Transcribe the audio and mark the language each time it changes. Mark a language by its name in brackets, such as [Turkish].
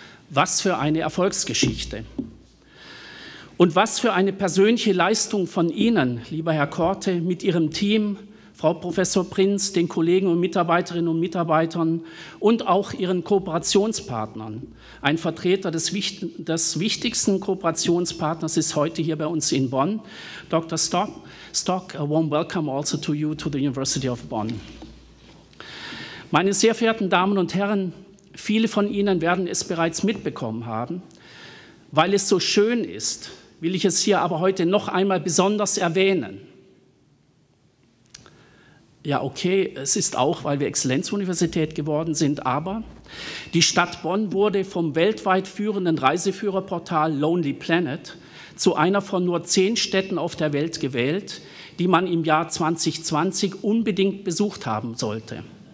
[German] Was für eine Erfolgsgeschichte. Und was für eine persönliche Leistung von Ihnen, lieber Herr Korte, mit Ihrem Team, Frau Professor Prinz, den Kollegen und Mitarbeiterinnen und Mitarbeitern und auch Ihren Kooperationspartnern. Ein Vertreter des wichtigsten Kooperationspartners ist heute hier bei uns in Bonn. Dr. [English] Stock, a warm welcome also to you to the University of Bonn. [German] Meine sehr verehrten Damen und Herren, viele von Ihnen werden es bereits mitbekommen haben. Weil es so schön ist, will ich es hier aber heute noch einmal besonders erwähnen. Ja, okay, es ist auch, weil wir Exzellenzuniversität geworden sind, aber die Stadt Bonn wurde vom weltweit führenden Reiseführerportal Lonely Planet zu einer von nur 10 Städten auf der Welt gewählt, die man im Jahr 2020 unbedingt besucht haben sollte.